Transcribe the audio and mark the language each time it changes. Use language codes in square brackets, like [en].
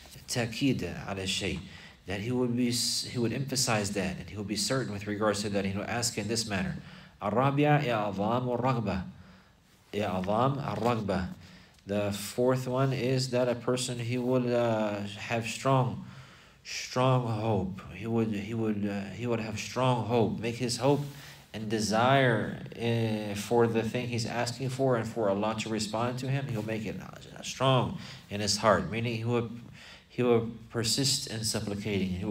[ar] تأكيد على الشيء, [en] that he would emphasize that, and he would be certain with regards to that. He would ask in this manner. [ar] الرابعة يا عظام الرغبة, يا عظام الرغبة. [en] The fourth one is that a person he would have strong hope. He would have strong hope, make his hope and desire for the thing he's asking for and for Allah to respond to him. He'll make it strong in his heart, meaning he will persist in supplicating.